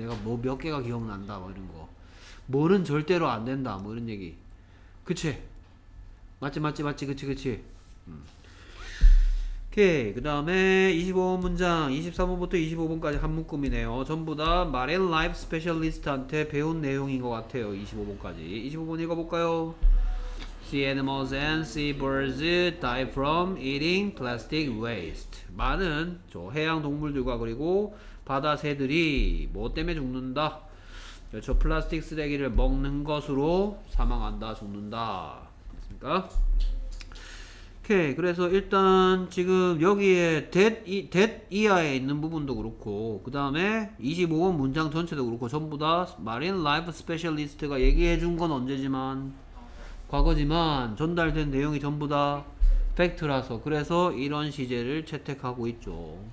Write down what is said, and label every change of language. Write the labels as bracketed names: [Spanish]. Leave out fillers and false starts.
[Korean] 내가 뭐 몇 개가 기억난다 막 이런 거. 뭐는 절대로 안 된다 뭐 이런 얘기. 그치? 맞지 맞지 맞지. 그치 그치. 오케이. 그 다음에 25번 문장 23번부터 25번까지 한 묶음이네요. 전부 다 마린 라이프 스페셜리스트한테 배운 내용인 것 같아요. 25번까지. 25번 읽어볼까요? [English] Sea animals and seabirds die from eating plastic waste. [Korean] 많은 저 해양 동물들과 그리고 바다 새들이 뭐 때문에 죽는다? 그렇죠. 플라스틱 쓰레기를 먹는 것으로 사망한다, 죽는다. 됐습니까? 오케이. 그래서 일단 지금 여기에 that 이하에 있는 부분도 그렇고 그 다음에 25번 문장 전체도 그렇고 전부 다 Marine Life Specialist가 얘기해 준 건 언제지만 과거지만 전달된 내용이 전부 다 팩트라서 그래서 이런 시제를 채택하고 있죠.